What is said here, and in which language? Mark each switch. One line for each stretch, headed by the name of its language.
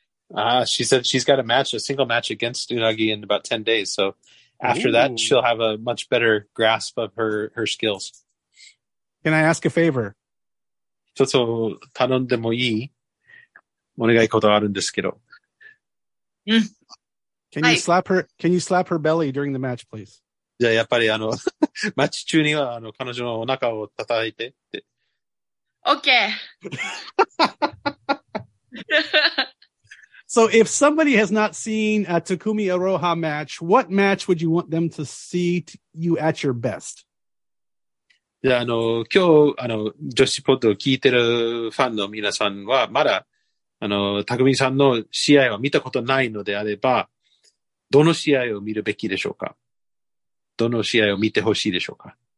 English: Ah, she said she's got a match, a single match against Unagi in about 10 days. So after that, she'll have a much better grasp of her skills. Can I ask a favor?
Japanese: ちょっと頼んでもいい?お願いことあるんですけど。
English: Can you slap her belly during the match, please?
Japanese: じゃあやっぱりマッチ中には彼女のお腹を叩いてって。
English: Okay. So if somebody has not seen a Takumi Iroha match, what match would you want them to see you at your best?
Japanese: じゃあ今日女子ポッドを聞いてるファンの皆さんはまだTakumiさんの試合は見たことないのであれば、どの試合を見るべきでしょうか? どの試合を見てほしいでしょうか?